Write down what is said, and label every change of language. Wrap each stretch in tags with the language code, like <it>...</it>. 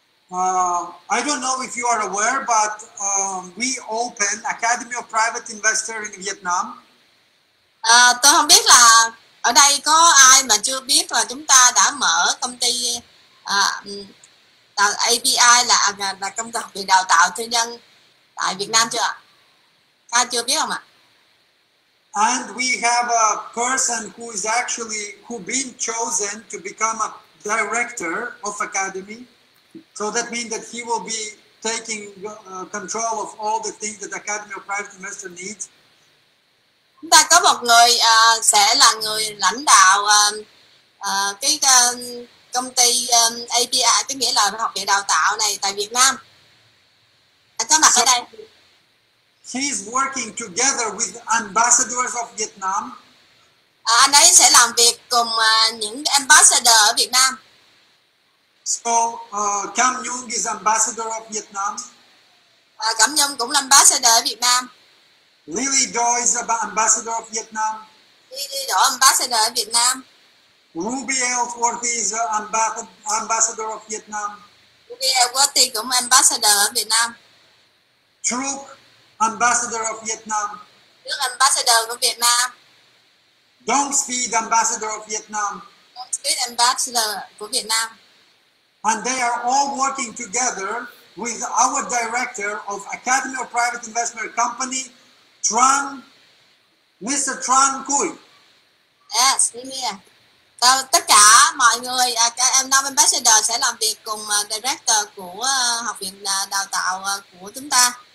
<en>I don't know if you are aware, but we open Academy of Private Investor in Vietnam.</en> <vi>Tôi không biết là ở đây có ai mà chưa biết là chúng ta đã mở công ty API là công ty học viện đào tạo tư nhân tại Việt Nam chưa ạ? Ai chưa biết không ạ?</vi> <en>And we have a person who is actually who been chosen to become a director of Academy. So that means that he will be taking control of all the things that Academy of Private Investor needs.</en> <vi>Chúng ta có một người sẽ là người lãnh đạo cái công ty API, có nghĩa là học viện đào tạo này tại Việt Nam. Anh có mặt ở đây.</vi> <en>He's working together with ambassadors of Vietnam.</en> <vi>Anh ấy sẽ làm việc cùng những ambassador ở Việt Nam.</vi> <en>So, Cam Nhung is ambassador of Vietnam.</en> <vi>Cam Nhung cũng là ambassador ở Việt Nam.</vi> <en>Lily Do is ambassador of Vietnam.</en> <vi>Lily Do ambassador ở Việt Nam.</vi> <en>Ruby Elworthy is ambassador of Vietnam.</en> <vi>Ruby Elworthy cũng ambassador ở Việt Nam.</vi> <en>Truk, ambassador of Vietnam.</en> <vi>Truk ambassador của Việt Nam.</vi> <en>Dong Speed, ambassador of Vietnam.</en> <vi>Dong Speed ambassador của Việt Nam.</vi> <en>And they are all working together with our director of Academy of Private Investment Company, Tran, Mr. Tran Cui.</en> <vi>Yes, tất cả mọi người, các em Nam Ambassador sẽ làm việc cùng director của Học viện Đào tạo của chúng ta.</vi>